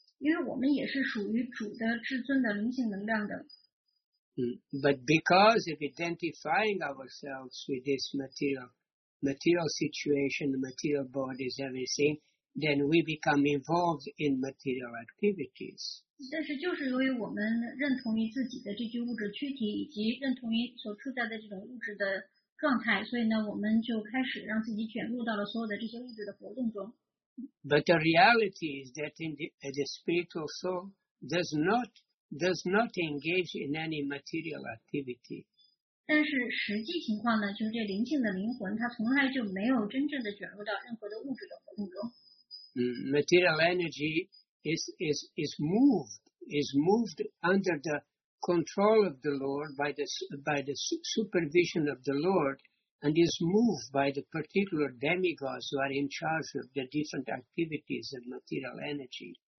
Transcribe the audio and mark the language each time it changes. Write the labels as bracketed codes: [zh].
[zh] 因为我们也是属于主的至尊的灵性能量的。 [en] But because of identifying ourselves with this material situation, material bodies, everything, then we become involved in material activities. [zh] 但是就是由于我们认同于自己的这具物质躯体，以及认同于所处在的这种物质的状态，所以呢，我们就开始让自己卷入到了所有的这些物质的活动中。 [en] But the reality is that the spiritual soul does not engage in any material activity. [zh] 但是实际情况呢，就是这灵性的灵魂，它从来就没有真正的卷入到任何的物质的活动中。 [en] Material energy is moved under the control of the Lord by the supervision of the Lord, and is moved by the particular demigods who are in charge of the different activities of material energy.